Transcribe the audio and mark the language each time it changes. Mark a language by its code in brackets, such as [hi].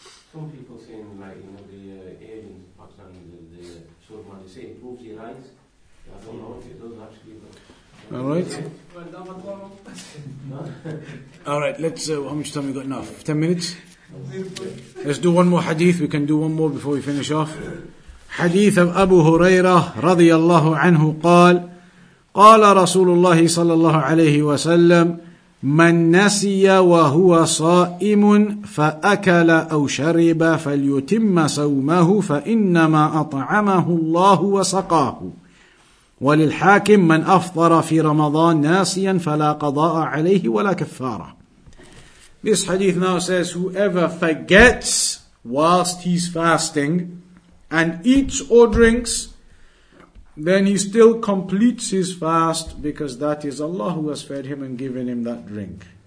[en] Some people say, like, you know, the aliens, Pakistan, the Surman, they say improves your eyes. I don't know if it does actually. All right. All right, let's, how much time we got now? 10 minutes? Let's do one more hadith. We can do one more before we finish off. Hadith of [ar] Abu Hurairah, radiallahu anhu, qala Rasulullah sallallahu alayhi wa sallam, من نسي وهو صائم فأكل أو شرب فليتم صومه فإنما أطعمه الله وسقاه وللحاكم من أفطر في رمضان ناسيا فلا قضاء عليه ولا كفارة. [en] This hadith now says whoever forgets whilst he's fasting and eats or drinks, then he still completes his fast because that is Allah who has fed him and given him that drink.